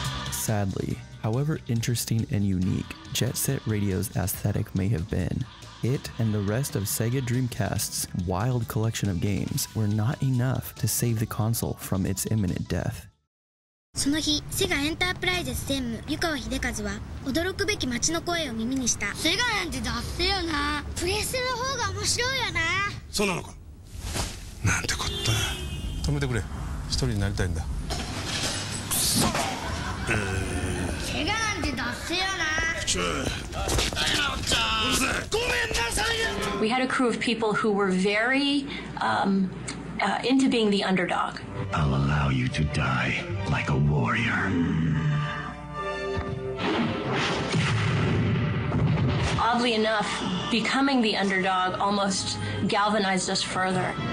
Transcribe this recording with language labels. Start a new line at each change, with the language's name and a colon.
English: Sadly, however interesting and unique Jet Set Radio's aesthetic may have been, it and the rest of Sega Dreamcast's wild collection of games were not enough to save the console from its imminent death.
Japanese: その日、セガエンタープライズ専務、湯川秀和は驚くべき街の声を耳にした。セガなんてダッセよな。プレステの方が面白いよな。そうなのか。なんてこった。止めてくれ。一人になりたいんだ。怪我なんてダッセよな。
English: We had a crew of people who were very into being the underdog. I'll allow you to die like a warrior. Oddly enough, becoming the underdog almost galvanized us further.